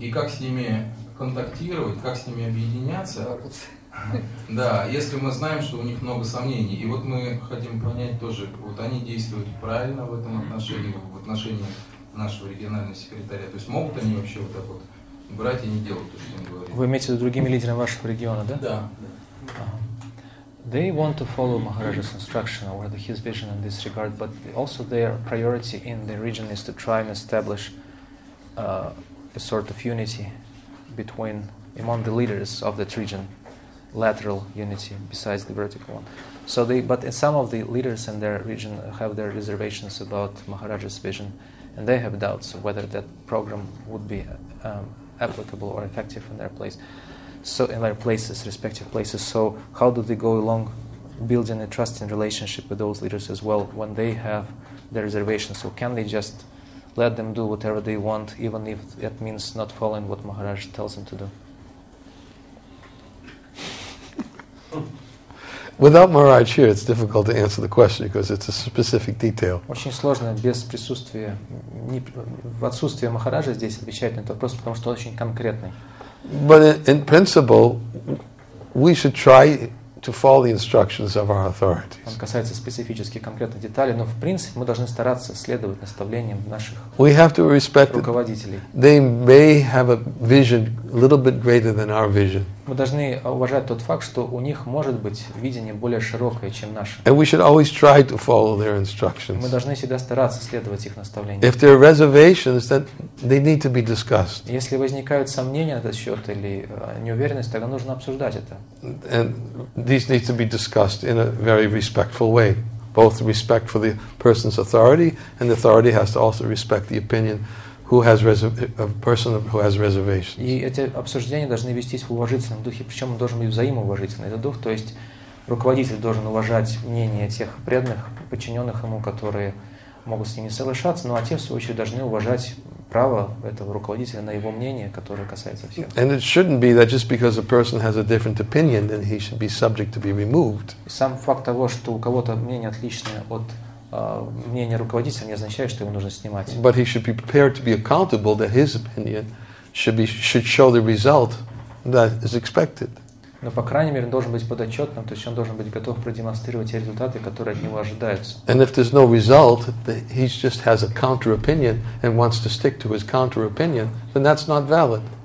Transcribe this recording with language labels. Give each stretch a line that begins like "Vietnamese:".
Russian: И как с ними контактировать, как с ними объединяться, да, если мы знаем, что у них много сомнений. И вот мы хотим понять тоже, вот они действуют правильно в этом отношении, в отношении нашего регионального секретаря. То есть могут они вообще вот так вот брать и не делать то, что он говорит. Вы имеете в виду другими лидерами вашего региона, да? Да.
English: They want to follow Maharaj's instruction or his vision in this regard, but also their priority in the region is to try and establish a sort of unity between among the leaders of that region, lateral unity besides the vertical one. So they, but some of the leaders in their region have their reservations about Maharaja's vision, and they have doubts whether that program would be applicable or effective in their place. So in their places, respective places. So how do they go along building a trusting relationship with those leaders as well when they have their reservations? So can they just let them do whatever they want, even if it means not following what Maharaj tells them to do? Without Maharaj here, it's difficult to answer the question because it's a specific detail.
Russian: Очень сложно без присутствия, в отсутствие Махараджа здесь отвечать на этот вопрос, потому что он очень конкретный.
English: But in principle, we should try to follow the instructions of our authorities.
Russian: Он касается специфических конкретных деталей, но в принципе мы должны стараться следовать наставлениям наших руководителей.
English: We have to respect that they may have a vision a little bit greater than our vision.
Russian: Мы должны уважать тот факт, что у них может быть видение более широкое, чем наше.
English: And we should always try to follow their instructions.
Russian: Мы должны всегда стараться следовать их наставлениям.
English: If there are reservations, then they need to be discussed.
Russian: Если возникают сомнения на этот счет или неуверенность, тогда нужно обсуждать это.
English: And these need to be discussed in a very respectful way. Both respect for the person's authority, and the authority has to also respect the opinion who has a person who has reservations.
Russian: И эти обсуждения должны вестись в уважительном духе, причем он должен быть взаимоуважительный этот дух, то есть руководитель должен уважать мнение тех преданных, подчиненных ему, которые могут с ними соглашаться, ну а те, в свою очередь, должны уважать право этого руководителя на его мнение, которое касается всех.
English: And it shouldn't be that just because a person has a different opinion, then he should be subject to be removed.
Russian: Сам факт того, что у кого-то мнение отличное от мнение руководителя не означает, что его нужно снимать.
English: But he should be prepared to be accountable that his opinion should show the result that is expected.
Russian: Но, по крайней мере, он должен быть подотчетным, то есть он должен быть готов продемонстрировать те результаты, которые от него ожидаются.
English: And if there's no result, that he just has a counter-opinion and wants to stick to his counter-opinion, then that's not valid.